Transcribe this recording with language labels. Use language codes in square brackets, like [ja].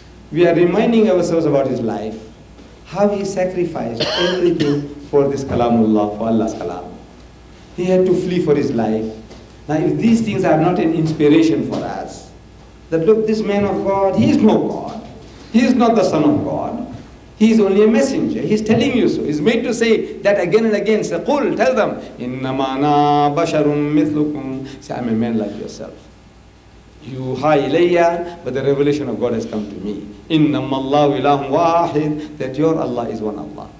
[en] We are reminding ourselves about his life, how he sacrificed everything for this Kalamullah, for Allah's Kalam. He had to flee for his life. Now, if these things are not an inspiration for us, that look, this man of God, he is no God. He is not the son of God. He is only a messenger. He's telling you so. He's made to say that again and again. Say, [ar] قُلْ, [en] tell them, [ar] إِنَّمَا أَنَا بَشَرٌ مِثْلُكُمْ. [en] Say, I'm a man like yourself. [ar] يُوحَى إِلَيَّ, [en] but the revelation of God has come to me. [ar] إِنَّمَا اللَّهُ إِلَهُ وَاحِدٌ, [en] that your Allah is one Allah.